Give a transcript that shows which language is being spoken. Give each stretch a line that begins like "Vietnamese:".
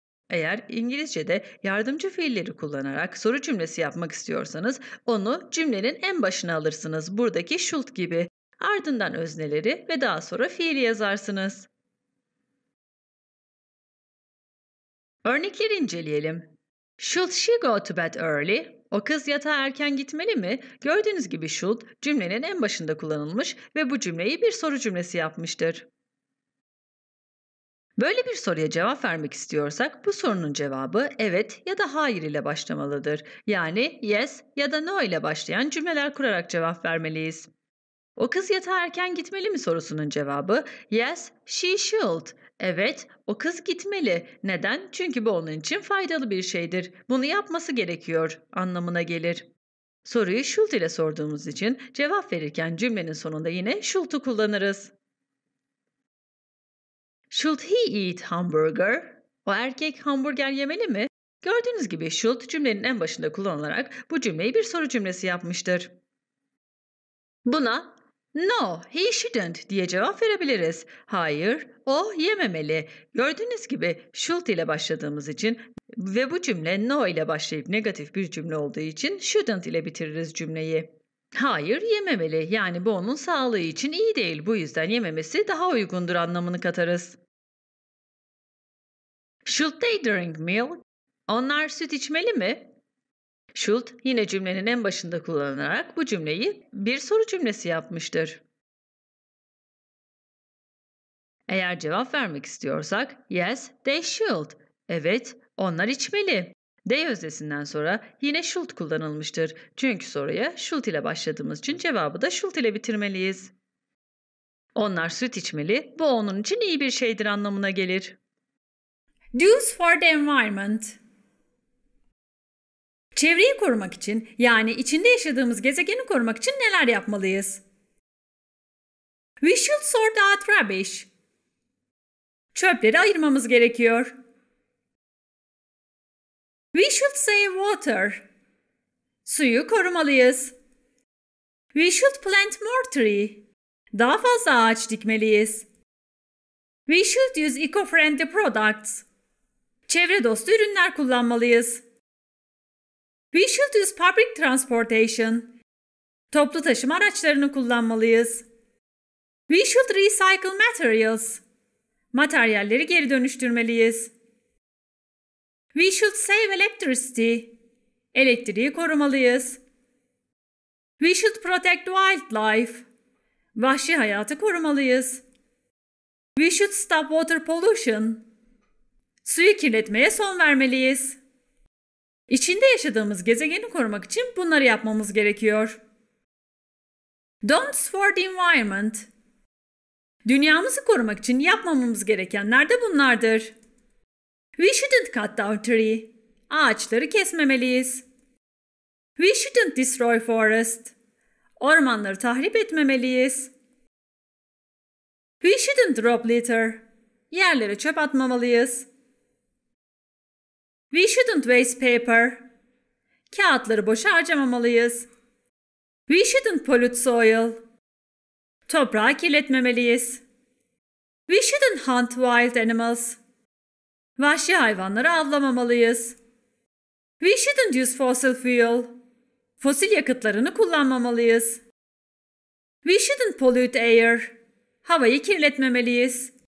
Turkish: Eğer İngilizce'de yardımcı fiilleri kullanarak soru cümlesi yapmak istiyorsanız onu cümlenin en başına alırsınız, buradaki should gibi. Ardından özneleri ve daha sonra fiili yazarsınız. Örnekleri inceleyelim.
English: Should she go to bed early?
Turkish: O kız yatağa erken gitmeli mi? Gördüğünüz gibi should cümlenin en başında kullanılmış ve bu cümleyi bir soru cümlesi yapmıştır. Böyle bir soruya cevap vermek istiyorsak bu sorunun cevabı evet ya da hayır ile başlamalıdır. Yani yes ya da no ile başlayan cümleler kurarak cevap vermeliyiz. O kız yatağa erken gitmeli mi sorusunun cevabı
English: yes, she should.
Turkish: Evet, o kız gitmeli. Neden? Çünkü bu onun için faydalı bir şeydir. Bunu yapması gerekiyor anlamına gelir. Soruyu should ile sorduğumuz için cevap verirken cümlenin sonunda yine should'u kullanırız.
English: Should he eat hamburger?
Turkish: O erkek hamburger yemeli mi? Gördüğünüz gibi should cümlenin en başında kullanılarak bu cümleyi bir soru cümlesi yapmıştır. Buna
English: no, he shouldn't
Turkish: diye cevap verebiliriz. Hayır, o yememeli. Gördüğünüz gibi should ile başladığımız için ve bu cümle no ile başlayıp negatif bir cümle olduğu için shouldn't ile bitiririz cümleyi. Hayır, yememeli. Yani bu onun sağlığı için iyi değil. Bu yüzden yememesi daha uygundur anlamını katarız.
English: Should they drink milk?
Turkish: Onlar süt içmeli mi? Should yine cümlenin en başında kullanılarak bu cümleyi bir soru cümlesi yapmıştır. Eğer cevap vermek istiyorsak
English: yes, they should.
Turkish: Evet, onlar içmeli. They öznesinden sonra yine should kullanılmıştır. Çünkü soruya should ile başladığımız için cevabı da should ile bitirmeliyiz. Onlar süt içmeli, bu onun için iyi bir şeydir anlamına gelir.
English: Do's for the environment.
Turkish: Çevreyi korumak için, yani içinde yaşadığımız gezegeni korumak için neler yapmalıyız?
English: We should sort out rubbish.
Turkish: Çöpleri ayırmamız gerekiyor.
English: We should save water.
Turkish: Suyu korumalıyız.
English: We should plant more tree.
Turkish: Daha fazla ağaç dikmeliyiz.
English: We should use eco-friendly products.
Turkish: Çevre dostu ürünler kullanmalıyız.
English: We should use public transportation.
Turkish: Toplu taşıma araçlarını kullanmalıyız.
English: We should recycle materials.
Turkish: Materyalleri geri dönüştürmeliyiz.
English: We should save electricity.
Turkish: Elektriği korumalıyız.
English: We should protect wildlife.
Turkish: Vahşi hayatı korumalıyız.
English: We should stop water pollution.
Turkish: Suyu kirletmeye son vermeliyiz. İçinde yaşadığımız gezegeni korumak için bunları yapmamız gerekiyor.
English: Don'ts for the environment.
Turkish: Dünyamızı korumak için yapmamamız gerekenler de bunlardır.
English: We shouldn't cut down tree.
Turkish: Ağaçları kesmemeliyiz.
English: We shouldn't destroy forest.
Turkish: Ormanları tahrip etmemeliyiz.
English: We shouldn't drop litter.
Turkish: Yerlere çöp atmamalıyız.
English: We shouldn't waste paper.
Turkish: Kağıtları boşa harcamamalıyız.
English: We shouldn't pollute soil.
Turkish: Toprağı kirletmemeliyiz.
English: We shouldn't hunt wild animals.
Turkish: Vahşi hayvanları avlamamalıyız.
English: We shouldn't use fossil fuel.
Turkish: Fosil yakıtlarını kullanmamalıyız.
English: We shouldn't pollute air.
Turkish: Havayı kirletmemeliyiz.